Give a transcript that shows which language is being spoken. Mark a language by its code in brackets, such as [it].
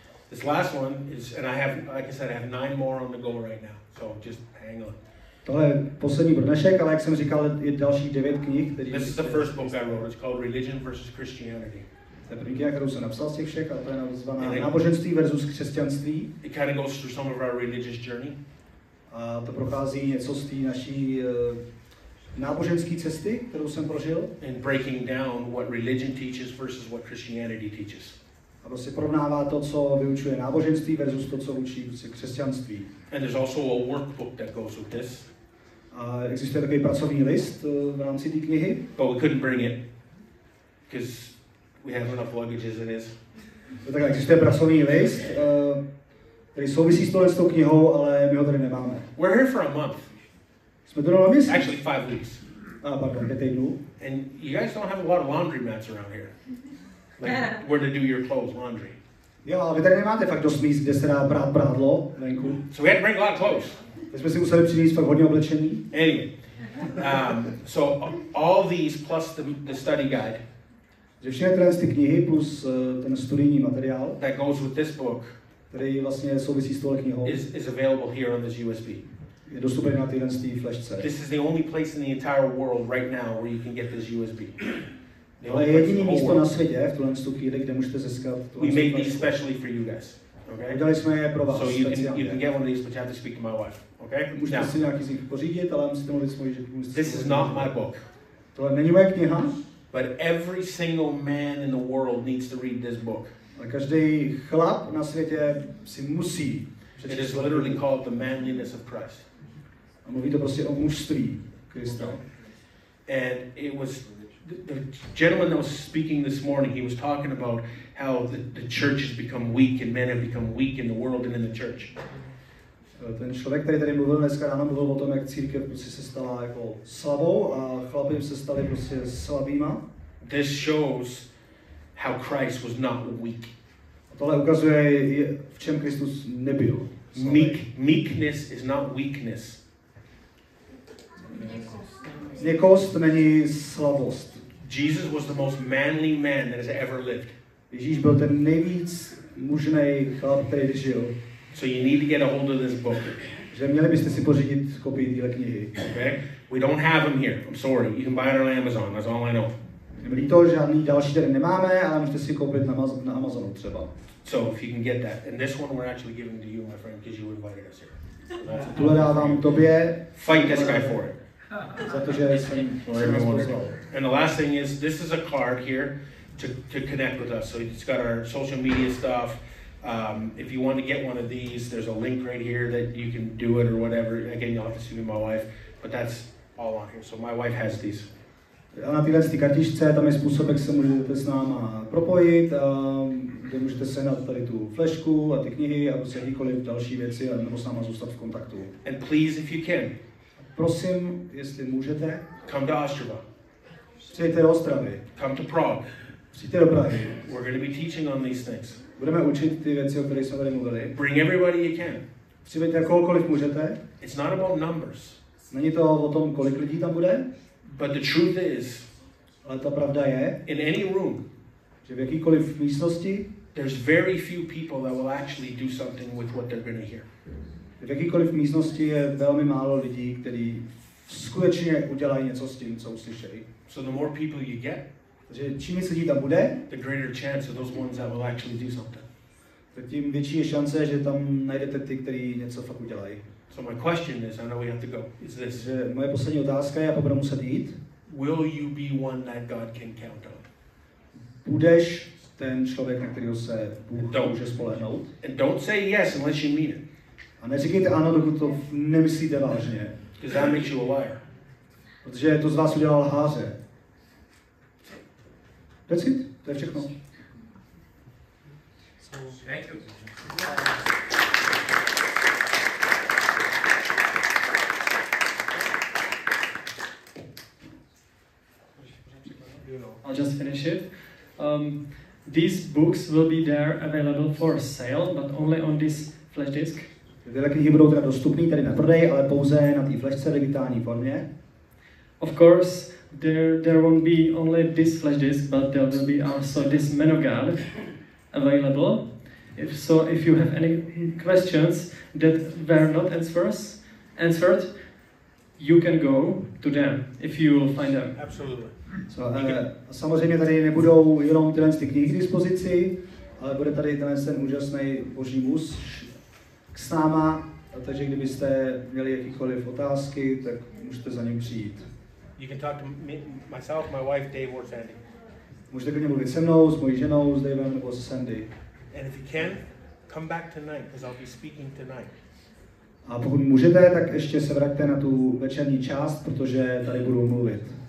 [en] This last one is, and I have, like I said, I have 9 more on the go right now, so just hang on. [cs] Tohle je poslední pro dnešek, ale jak jsem říkal, je další 9 knih, které... [en] This is the first book I wrote, it's called Religion versus Christianity. [cs] To je první kniha, kterou jsem napsal z těch všech, ale to je nazvaná Náboženství versus Křesťanství. [en] It kind of goes through some of our religious journey. [cs] A to prochází něco z té naší... náboženské cesty, kterou jsem prožil. [en] And breaking down what religion teaches versus what Christianity teaches. [cs] A to se porovnává to, co vyučuje náboženství versus to, co učí křesťanství. [en] And there's also a workbook that goes with this. [cs] A existuje takový pracovní list v rámci té knihy. [en] But we couldn't bring it because we have enough luggage as it is. [cs] Tak existuje pracovní list, který souvisí s touto knihou, ale my ho tady nemáme. [en] We're here for a month. Actually, 5 weeks. Ah, pardon, 5 weeks. And you guys don't have a lot of laundry mats around here. Like, where to do your clothes, laundry. [cs] Jo, ale vy tady nemáte fakt dost míst, kde se dá brát prádlo venku. [en] So we had to bring a lot of clothes. [cs] My jsme si museli přinést fakt hodně oblečení. [en] Anyway, so all these plus the study guide. [cs] Že všechny tyhle ty knihy plus ten studijní materiál. [en] That goes with this book. [cs] Který vlastně souvisí s touhle knihou. [en] Is available here on this USB. [cs] Je dostupný na téhle té flashce. [en] This is the only place in the entire world right now where you can get this USB. [cs] Ale jediné místo na světě v tuhle chvíli, kde můžete získat. [en] We made these specially for you guys. Okay? [cs] Udělali jsme je pro vás. [en] So you can get one of these, but you have to speak to my wife. Okay? [cs] Můžete si nějaký z nich pořídit, ale musíte mluvit s mojí ženou. [en] This is not my book. [cs] Tohle není moje kniha. [en] But every single man in the world needs to read this book. [cs] Ale každý chlap na světě si musí. [en] It is literally called the manliness of Christ. [cs] A mluví to prostě o mužství Krista. [en] And it was the gentleman that was speaking this morning, he was talking about how the church has become weak and men have become weak in the world and in the church. [cs] Ten člověk, který tady mluvil dneska ráno, mluvil o tom, jak církev prostě se stala jako slabou a chlapy se stali prostě slabýma. [en] This shows how Christ was not weak. [cs] A tohle ukazuje, v čem Kristus nebyl. [en] Meekness is not weakness. [cs] Měkost není slabost. [en] Jesus was the most manly man that has ever lived. [cs] Ježíš byl ten nejvíc mužnej chlap, který žil. [en] So you need to get a hold of this book. [cs] Že měli byste si pořídit kopii téhle knihy. [en] Okay? We don't have them here. I'm sorry. You can buy it on Amazon. That's all I know. [cs] Líto, žádný další den nemáme, ale můžete si koupit na Amazonu třeba. [en] So if you can get that. And this one we're actually giving to you, my friend, because you invited us here. [cs] So tohle dávám tobě. [en] Fight this guy for it. [cs] Za to, že jsem [en] And the last thing is, this is a card here to connect with us. So it's got our social media stuff. If you want to get one of these, there's a link right here that you can do it or whatever. Again, you'll have to see me, my wife. But that's all on here. So my wife has these. [cs] A na téhle kartičce, tam je způsob, jak se můžete s náma propojit, kde můžete sehnat tady tu flešku a ty knihy a prostě jakýkoliv další věci a nebo s náma zůstat v kontaktu. [en] And please, if you can, [cs] prosím, jestli můžete, [en] come to Ostrava. [cs] Přijďte do Ostravy. [en] Come to Prague. [cs] Přijďte do Prahy. [en] We're going to be teaching on these things. [cs] Budeme učit ty věci, o kterých jsme tady mluvili. [en] Bring everybody you can. [cs] Přijďte kohokoliv můžete. [en] It's not about numbers. [cs] Není to o tom, kolik lidí tam bude. [en] But the truth is, [cs] ale ta pravda je, [en] in any room, [cs] že v jakýkoliv místnosti, [en] there's very few people that will actually do something with what they're going to hear. [cs] V jakýkoliv místnosti je velmi málo lidí, kteří skutečně udělají něco s tím, co uslyšeli. [en] So the more people you get, [cs] že čím víc lidí tam bude, [en] the greater chance of those ones that will actually do something. [cs] Tím větší je šance, že tam najdete ty, kteří něco fakt udělají. [en] So my question is, I know we have to go. Is this? [cs] Moje poslední otázka je, a budu muset jít. [en] Will you be one that God can count on? [cs] Budeš ten člověk, na kterého se Bůh může spolehnout? [en] And don't say yes unless you mean it. [cs] A neříkejte ano, dokud to nemyslíte vážně. [en] Because that makes you a liar. [cs] Protože to z vás udělal lháře. [en] That's it. [cs] To je všechno. [en] Thank you. I'll just finish it. These books will be there available for sale, but only on this flash disk. [cs] Tyhle knihy budou teda dostupné tady na prodej, ale pouze na té flashce v digitální formě. [en] Of course, there won't be only this flash disk, but there will be also this menu guide available. If you have any questions that were not answered, you can go to them if you will find them. Absolutely. [cs] So, samozřejmě tady nebudou jenom tyhle knihy k dispozici, ale bude tady tenhle úžasný boží muž s náma, takže kdybyste měli jakýkoliv otázky, tak můžete za ním přijít. [en] You can talk to me, myself, my wife, Dave or Sandy. [cs] Můžete k němu mluvit se mnou, s mojí ženou, s Davem nebo s Sandy. [en] And if you can, come back tonight, because I'll be speaking tonight. [cs] A pokud můžete, tak ještě se vraťte na tu večerní část, protože tady budu mluvit.